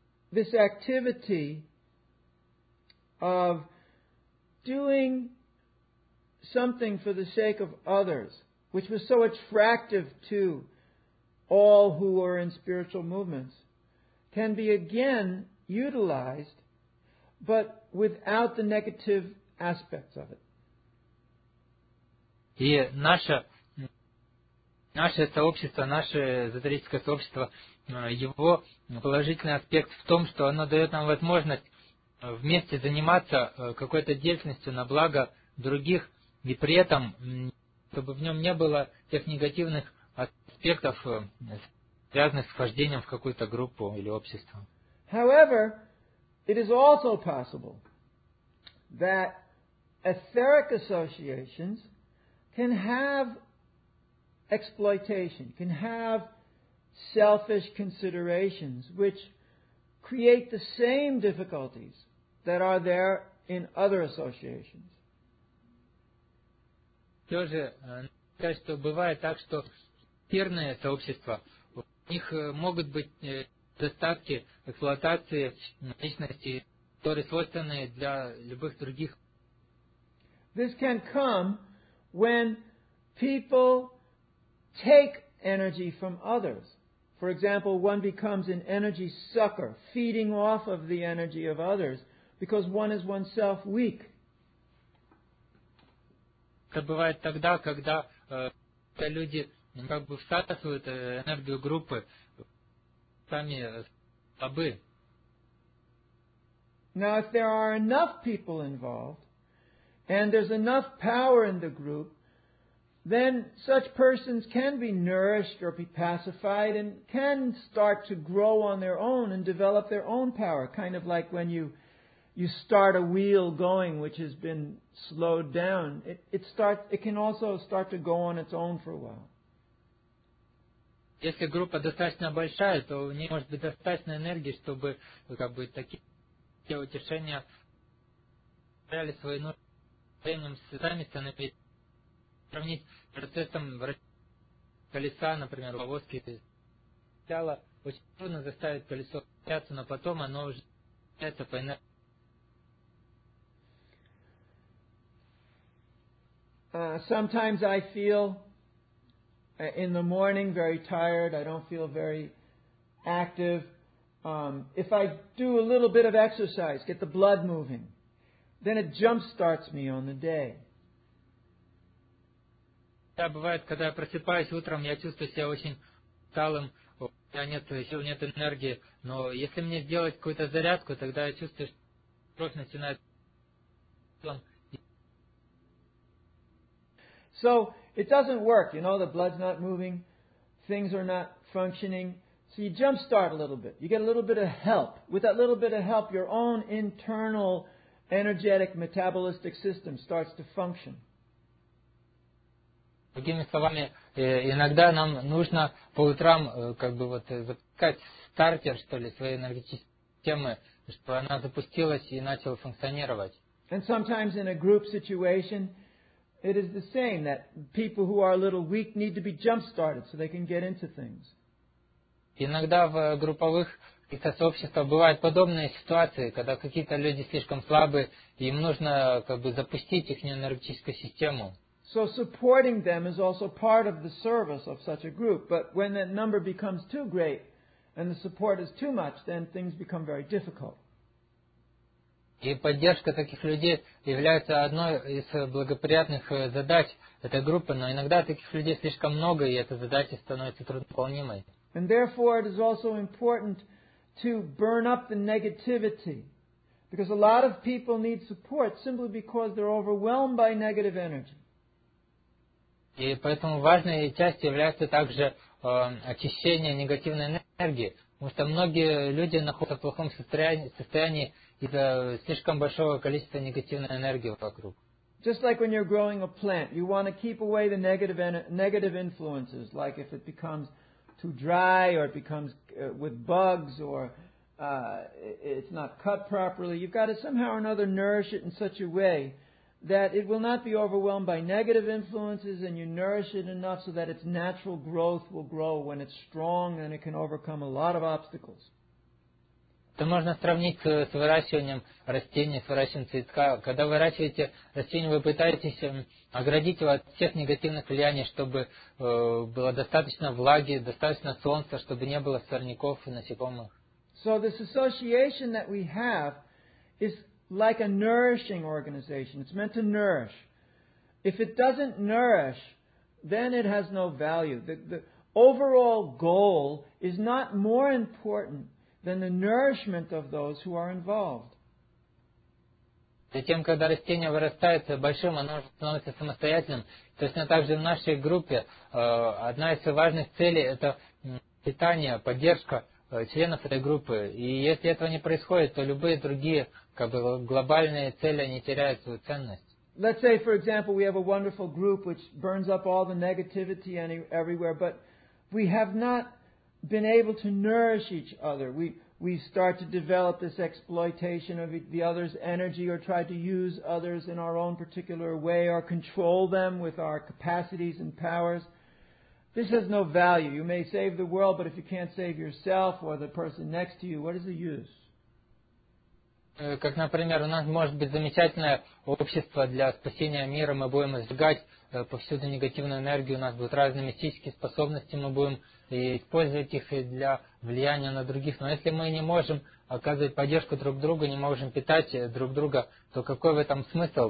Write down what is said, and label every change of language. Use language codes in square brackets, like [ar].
[en] this activity of doing something for the sake of others, which was so attractive to all who are in spiritual movements, can be again utilized, but without the negative aspects of it. [ru] И наше сообщество, наше эзотерическое сообщество, его положительный аспект в том, что оно дает нам возможность вместе заниматься какой-то деятельностью на благо других, и при этом, чтобы в нем не было тех негативных аспектов, связанных с вхождением в какую-то группу или общество. [en] However, it is also possible that etheric associations can have exploitation, can have selfish considerations, which create the same difficulties that are there in other associations. [ru] Тоже, что бывает так, что эфирные сообщества, у них могут быть достатки эксплуатации личности, которые свойственны для любых других. [en] This can come when people take energy from others. For example, one becomes an energy sucker, feeding off of the energy of others, because one is oneself weak. [ru] Это бывает тогда, когда люди как бы всасывают энергию группы, сами слабы. [en] Now, if there are enough people involved, and there's enough power in the group, then such persons can be nourished or be pacified and can start to grow on their own and develop their own power, kind of like when you start a wheel going which has been slowed down. It can also start to go on its own for a while. [ru] Если группа достаточно большая, то у нее может быть достаточно энергии, чтобы как бы такие утешения справляли свои нужды, сами становились. Сравнить с процессом вращения колеса, например, повозки. Сначала очень трудно заставить колесо вращаться, но потом оно уже вращается по энергии. [en] Sometimes I feel in the morning very tired. I don't feel very active. If I do a little bit of exercise, get the blood moving, then it jump starts me on the day. [ru] Да, бывает, когда я просыпаюсь утром, я чувствую себя очень усталым, у меня нет сил, нет энергии. Но если мне сделать какую-то зарядку, тогда я чувствую, что кровь начинает. [en] So it doesn't work, you know, the blood's not moving, things are not functioning. So you jump start a little bit, you get a little bit of help. With that little bit of help, your own internal energetic metabolistic system starts to function. [ru] Другими словами, иногда нам нужно по утрам как бы вот запускать стартер, что ли, своей энергетической системы, чтобы она запустилась и начала функционировать. [en] And sometimes in a group situation, it is the same, that people who are a little weak need to be jump-started so they can get into things. [ru] Иногда в групповых каких-то сообществах бывают подобные ситуации, когда какие-то люди слишком слабы, и им нужно как бы запустить их энергетическую систему. [en] So supporting them is also part of the service of such a group. But when that number becomes too great and the support is too much, then things become very difficult. [ru] И поддержка таких людей является одной из благоприятных задач этой группы, но иногда таких людей слишком много, и эта задача становится трудновыполнимой. [en] And therefore it is also important to burn up the negativity. Because a lot of people need support simply because they're overwhelmed by negative energy. [ru] И поэтому важной частью является также очищение негативной энергии, потому что многие люди находятся в плохом состоянии из-за слишком большого количества негативной энергии вокруг. [en] Just like when you're growing a plant, you want to keep away the negative influences, like if it becomes too dry or it becomes with bugs or it's not cut properly, you've got to somehow or another nourish it in such a way that it will not be overwhelmed by negative influences, and you nourish it enough so that its natural growth will grow when it's strong and it can overcome a lot of obstacles. [ru] Это можно сравнить с выращиванием растений, с выращиванием цветка. Когда выращиваете растение, вы пытаетесь оградить его от всех негативных влияний, чтобы было достаточно влаги, достаточно солнца, чтобы не было сорняков и насекомых. [en] So this association that we have is like a nourishing organization. It's meant to nourish. If it doesn't nourish, then it has no value. The overall goal is not more important than the nourishment of those who are involved. [ru] Затем, когда растение вырастает большим, оно становится самостоятельным. Точно так же в нашей группе одна из важных целей – это питание, поддержка членов этой группы. И если этого не происходит, то любые другие как бы глобальные цели, они теряют свою ценность. [en] Let's say, for example, we have a wonderful group which burns up all the negativity everywhere, but we have not been able to nourish each other. We start to develop this exploitation of the other's energy or try to use others in our own particular way or control them with our capacities and powers. This has no value. You may save the world, but if you can't save yourself or the person next to you, what is the use? [ru] как, например, у нас может быть замечательное общество для спасения мира, мы будем сжигать повсюду негативную энергию, у нас будут разные мистические способности, мы будем использовать их и для влияния на других. Но если мы не можем оказывать поддержку друг другу, не можем питать друг друга, то какой в этом смысл?